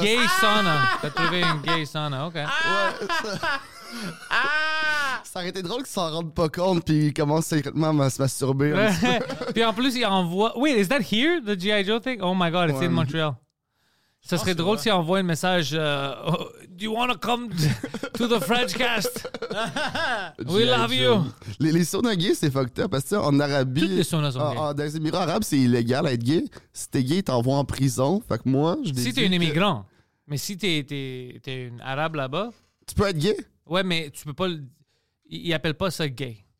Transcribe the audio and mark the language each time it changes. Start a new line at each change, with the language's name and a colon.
French: gay ça. Sauna. T'as trouvé une gay sauna, OK. Ouais, ça. Ça aurait été drôle qu'ils s'en rendent pas compte puis ils commencent secrètement à se masturber. Puis en plus, ils envoient...
English: Wait, is that here, the G.I. Joe thing? Oh my God, ouais. It's in Montreal.
French: Ça serait drôle s'ils envoient un message...
English: Do you want to come to the French cast? We love you.
French: Les saunas gays, c'est fucked up. Parce que en Arabie... Toutes les saunas sont gays. Dans les Émirats arabes, c'est illégal d'être gay. Si t'es gay, t'envoies en prison. Fait que moi, je si t'es un immigrant. Mais si t'es un arabe là-bas... Tu peux être gay? Ouais, mais tu peux pas... Ils appellent pas ça gay.